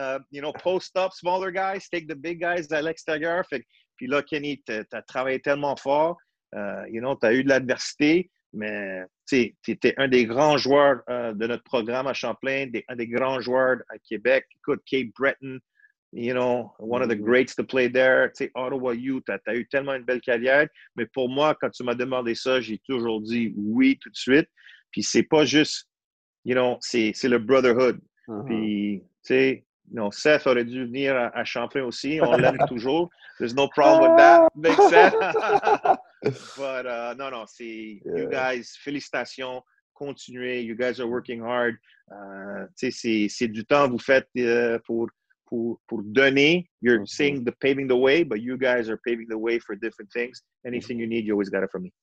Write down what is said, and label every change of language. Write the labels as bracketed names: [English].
[English] You know, post up smaller guys, take the big guys [French] à l'extérieur. Puis là, Kenny, t'as travaillé tellement fort. [English] You know, [French] t'as eu de l'adversité, mais t'étais un des grands joueurs de notre programme à Champlain, un des grands joueurs à Québec. Écoute, [English] Cape Breton, you know, one of the greats to play there. [French] T'sais, Ottawa U, t'as eu tellement une belle carrière. Mais pour moi, quand tu m'as demandé ça, j'ai toujours dit oui tout de suite. Puis c'est pas juste, [English] you know, [French] c'est le brotherhood. Uh-huh. Puis, tu sais, non, Seth aurait dû venir à Champlain aussi. On l'aime toujours. [English] There's no problem with that, big Seth. But [French] non, c'est [English] you guys, [French] félicitations, continuez. [English] You guys are working hard. [French] Tu sais, c'est du temps que vous faites pour donner. [English] You're seeing the paving the way, but you guys are paving the way for different things. Anything you need, you always got it from me.